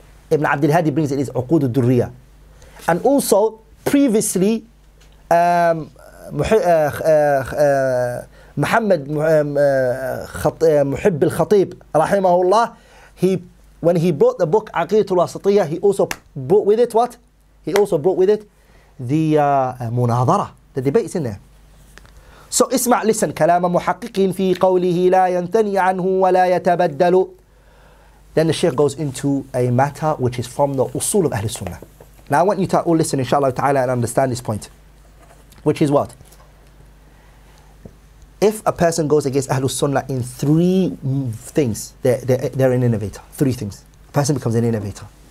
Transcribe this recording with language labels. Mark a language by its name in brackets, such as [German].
[English] Ibn Abdul Hadi brings it, is Uqood al-Durriya. And also, previously, Muhammad Muhibb al-Khatib, rahimahullah, when he brought the book Aqidat al-Wasatiyya, he also brought with it what? He also brought with it the munadara. The debate is in there. [Arabic] So اسمع [English] listen [Arabic] كلام محقق في قوله لا ينثني عنه ولا يتبدل. That [English] Then the Shaykh goes into a matter which is from the usul of Ahlul Sunnah. Now I want you to all listen, inshallah ta'ala, and understand this point. Which is what? If a person goes against Ahlul Sunnah in three things, they're an innovator. Three things. A person becomes an innovator.